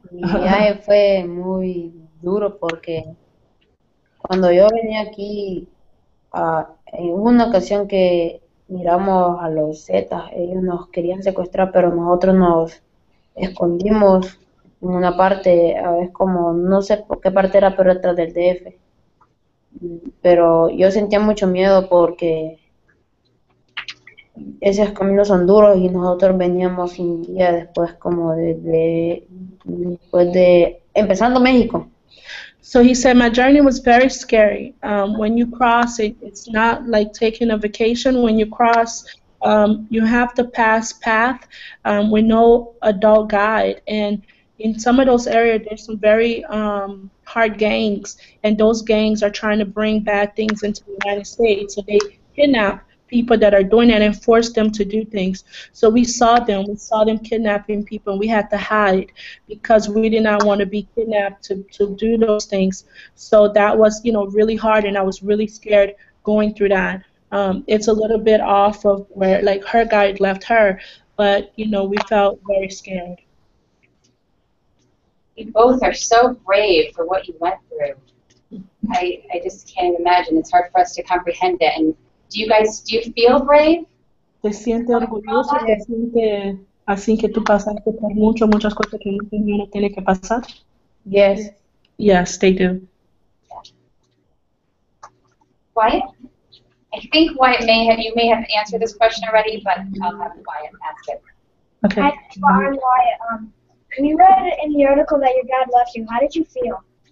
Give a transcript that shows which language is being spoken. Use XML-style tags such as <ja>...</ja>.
<es>Mi fue muy duro porque cuando yo venía aquí, en una ocasión que miramos a los Zetas, ellos nos querían secuestrar, pero nosotros nos escondimos en una parte, a veces como, no sé por qué parte era, pero detrás del DF. Pero yo sentía mucho miedo porque esos caminos son duros y nosotros veníamos sin guía después como después de empezando México.</es> <en>So he said, my journey was very scary. When you cross, it's not like taking a vacation. When you cross, you have to pass path with no adult guide. And in some of those areas, there's some very hard gangs. And those gangs are trying to bring bad things into the United States. So they kidnap people that are doing that and force them to do things. So we saw them. We saw them kidnapping people, and we had to hide because we did not want to be kidnapped to do those things. So that was, you know, really hard, and I was really scared going through that. It's a little bit off of where, like, her guide left her, but, you know, we felt very scared. You both are so brave for what you went through. I just can't imagine. It's hard for us to comprehend it. And do you feel brave?</en> <es>¿Te sientes orgulloso? ¿Te sientes así que tú pasaste por mucho, muchas cosas que uno tiene que pasar?</es> <en>Yes. Yes, they do. Wyatt? I think Wyatt may have answered this question already, but I'll have Wyatt ask it. Okay. Wyatt, when you read in the article that your dad left you, how did you feel?</en>